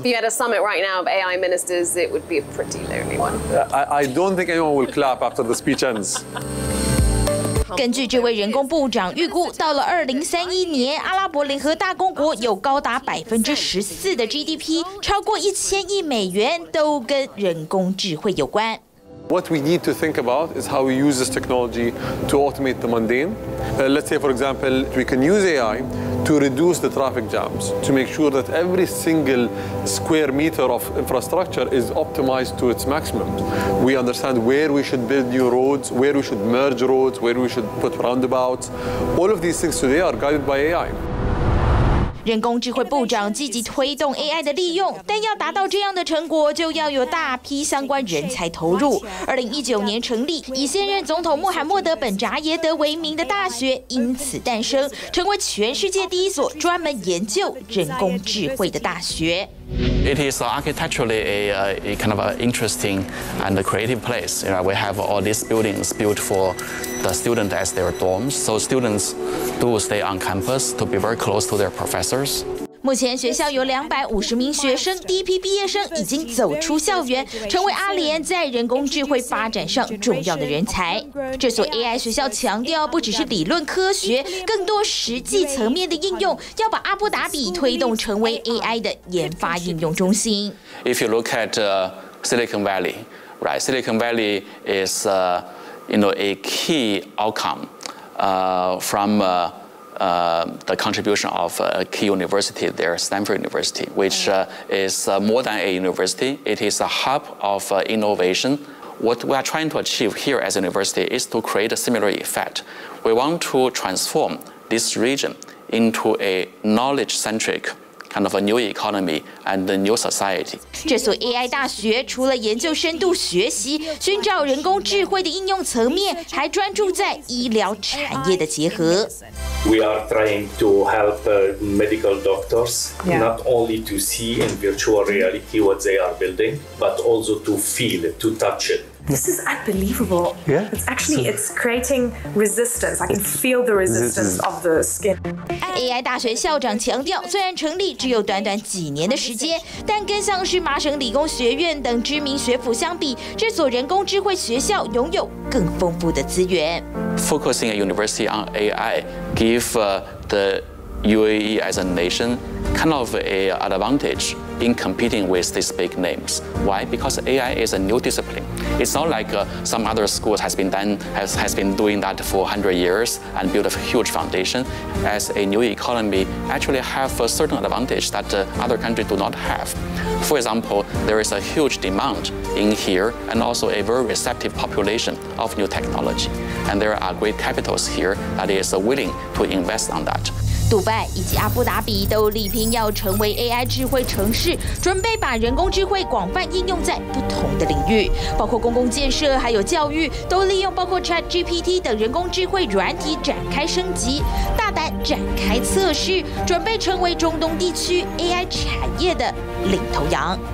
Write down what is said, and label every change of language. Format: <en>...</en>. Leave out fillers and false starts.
<en>If you had a summit right now of AI ministers, it would be a pretty lonely one. I don't think anyone will clap after the speech ends.</en> <zh>根据这位人工部长预估，到了2031年，阿拉伯联合大公国有高达14%的 GDP， 超过1000亿美元都跟人工智慧有关。</zh> <en>What we need to think about is how we use this technology to automate the mundane. Let's say, for example, we can use AI to reduce the traffic jams, to make sure that every single square meter of infrastructure is optimized to its maximum. We understand where we should build new roads, where we should merge roads, where we should put roundabouts. All of these things today are guided by AI.</en> <zh>人工智慧部长积极推动 AI 的利用，但要达到这样的成果，就要有大批相关人才投入。 2019年成立，以现任总统穆罕默德·本扎耶德为名的大学因此诞生，成为全世界第一所专门研究人工智慧的大学。</zh> <en>It is architecturally a kind of an interesting and a creative place. You know, we have all these buildings built for the students as their dorms, so students do stay on campus to be very close to their professors.</en> <zh>目前学校有250名学生，第一批毕业生已经走出校园，成为阿联在人工智慧发展上重要的人才。这所 AI 学校强调，不只是理论科学，更多实际层面的应用，要把阿布达比推动成为 AI 的研发应用中心。</zh> <en>If you look at Silicon Valley, right? Silicon Valley is a key outcome from the contribution of a key university there, Stanford University, which is more than a university. It is a hub of innovation. What we are trying to achieve here as a university is to create a similar effect. We want to transform this region into a knowledge-centric kind of a new economy and a new society.</en> <zh>这所 AI 大学除了研究深度学习、寻找人工智慧的应用层面，还专注在医疗产业的结合。</zh> <en>We are trying to help medical doctors not only to see in virtual reality what they are building, but also to feel, to touch it. This is unbelievable. Yeah. It's actually, it's creating resistance. I can feel the resistance of the skin.</en> <zh>AI 大学校长强调，虽然成立只有短短几年的时间，但跟像是麻省理工学院等知名学府相比，这所人工智慧学校拥有更丰富的资源。</zh> <en>Focusing a university on AI give the UAE as a nation kind of an advantage in competing with these big names. Why? Because AI is a new discipline. It's not like some other schools has been doing that for 100 years and built a huge foundation. As a new economy, actually have a certain advantage that other countries do not have. For example, there is a huge demand in here and also a very receptive population of new technology. And there are great capitals here that is willing to invest on that.</en> <zh>杜拜以及阿布达比都力拼要成为 AI 智慧城市，准备把人工智慧广泛应用在不同的领域，包括公共建设还有教育，都利用包括 ChatGPT 等人工智慧软体展开升级，大胆展开测试，准备成为中东地区 AI 产业的领头羊。</zh>